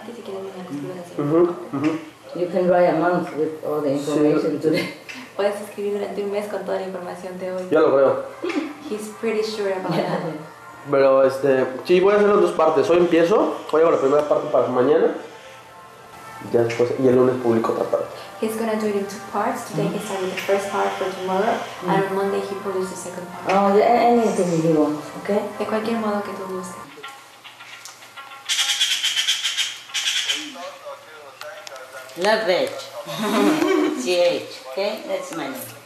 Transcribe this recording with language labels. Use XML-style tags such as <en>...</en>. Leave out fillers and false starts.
<en>You can write a month with all the information today.</en> <es>Puedes escribir durante un mes con toda la información de hoy. Ya lo creo.</es> <en>He's pretty sure about that.</en> <es>Pero sí, voy a hacerlo en dos partes. Hoy empiezo, voy a hacer la primera parte para mañana. Ya después, y el lunes publico otra parte.</es> <en>He's gonna do it in two parts. Today he's having the first part for tomorrow, and on Monday he produces the second part. Oh, yeah, anything you want, okay?</en> <es>De cualquier modo que tú guste.</es> <en>Love it. CH, okay? That's my name.</en>